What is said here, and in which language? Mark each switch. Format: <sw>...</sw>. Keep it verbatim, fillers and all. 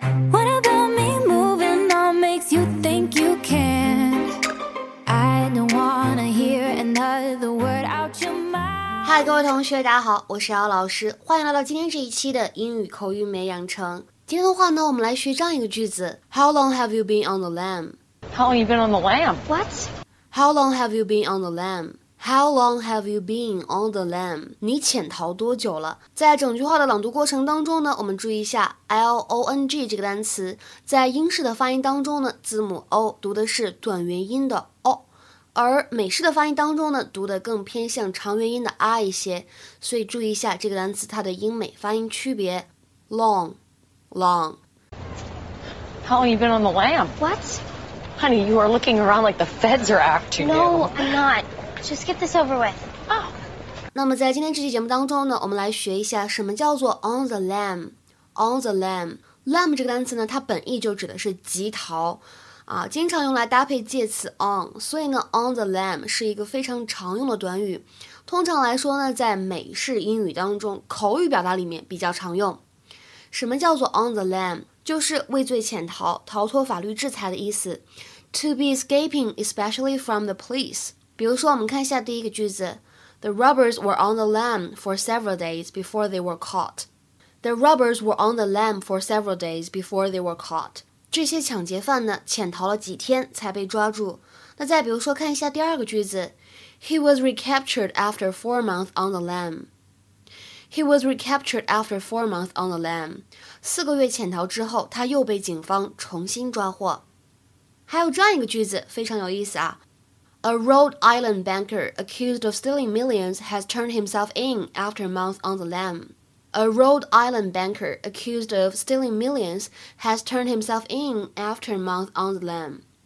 <en>What about me moving on makes you think you can? I don't wanna hear another word out your mouth.</en> <zh>嗨，各位同学，大家好，我是姚老师，欢迎来到今天这一期的英语口语美养成。今天的话呢，我们来学这样一个句子 ：</zh> <en>How long have you been on the lam? How long you been on the lam? What? How long have you been on the lam? How long have you been on the lam?</en> <zh>你潜逃多久了？在整句话的朗读过程当中呢，我们注意一下 L O N G 这个单词，在英式的发音当中呢，字母 O 读的是短元音的 O， 而美式的发音当中呢，读的更偏向长元音的 R 一些，所以注意一下这个单词它的英美发音区别。</zh> <en>Long, long. How long you been on the lam? What? Honey, you are looking around like the feds are after you. No, I'm not. Just get this over with. Oh.</en> <zh>那么在今天这期节目当中呢，我们来学一下什么叫做 on the lam。 on the lam， lam 这个单词呢，它本意就指的是急逃啊，经常用来搭配介词 on， 所以呢 on the lam 是一个非常常用的短语。通常来说呢，在美式英语当中，口语表达里面比较常用。什么叫做 on the lam？就是畏罪潜逃，逃脱法律制裁的意思。</zh> <en>To be escaping, especially from the police。</en> <zh>比如说我们看一下第一个句子</zh> <en>The robbers were on the lam for several days before they were caught. The robbers were on the lam for several days before they were caught.</en> <zh>这些抢劫犯呢，潜逃了几天才被抓住。那再比如说看一下第二个句子</zh> <en>He was recaptured after four months on the lam. He was recaptured after four months on the lam.</en> <zh>四个月潜逃之后，他又被警方重新抓获。还有这样一个句子，非常有意思啊。</zh> <en>A Rhode Island banker accused of stealing millions has turned himself in after a month on the lam. A Rhode Island banker accused of stealing millions has turned himself in after a month on the lam.</en>